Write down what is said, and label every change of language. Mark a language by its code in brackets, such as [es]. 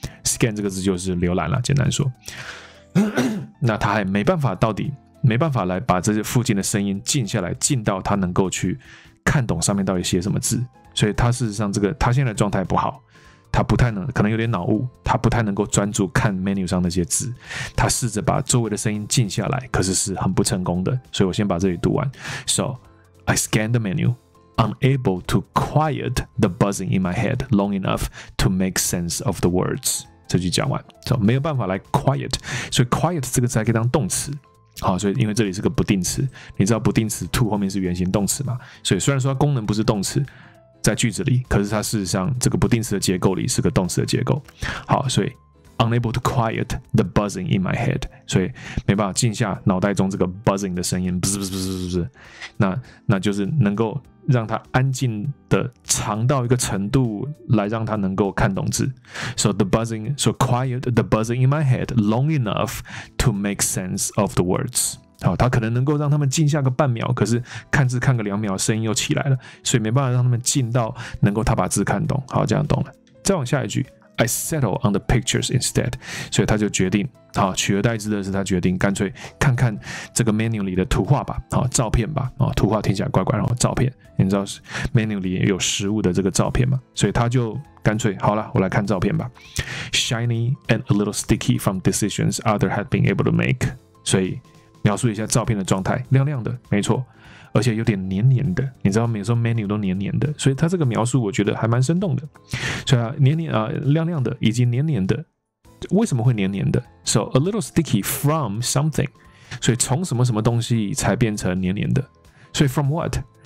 [zh] scan 这个字就是浏览了，简单说那她还没办法来把这些附近的声音静下来，静到他能够去看懂上面到底写什么字。所以他事实上这个他现在的状态不好，他不太能，可能有点脑雾，他不太能够专注看 menu 上那些字。他试着把周围的声音静下来，可是很不成功的。所以我先把这里读完。 [en] So I scanned the menu, unable to quiet the buzzing in my head long enough to make sense of the words。 [zh] 这句讲完，所以没有办法来 quiet。所以 quiet 这个字还可以当动词。好，所以因为这里是个不定词，你知道不定词 to 后面是原形动词嘛？所以虽然说它功能不是动词，在句子里，可是它事实上这个不定词的结构里是个动词的结构。好，所以 [en] unable to quiet the buzzing in my head， [zh] 所以没办法静下脑袋中这个 buzzing 的声音，不是不是不是不是，那就是能够让它安静的长到一个程度来让它能够看懂字。 [en] So quiet the buzzing in my head long enough to make sense of the words。 [zh] 好，它可能能够让它们静下个半秒，可是看字看个两秒声音又起来了，所以没办法让它们静到能够它把字看懂。好，这样懂了。再往下一句， [en] I settle on the pictures instead。 [zh] 所以他就决定，好，取而代之的是他决定干脆看看这个 menu 里的图画吧，好，照片吧，好，图画听起来怪怪，然后照片，你知道 menu 里有食物的这个照片吗？所以他就干脆好了，我来看照片吧。 [en] Shiny and a little sticky from decisions other had been able to make。 [zh] 所以描述一下照片的状态，亮亮的，没错，而且有点黏黏的，你知道每次 menu 都黏黏的，所以他这个描述我觉得还蛮生动的。所以啊，亮亮的以及黏黏的，为什么会黏黏的？ [en] So a little sticky from something， [zh] 所以从什么什么东西才变成黏黏的。所以 [en] from what？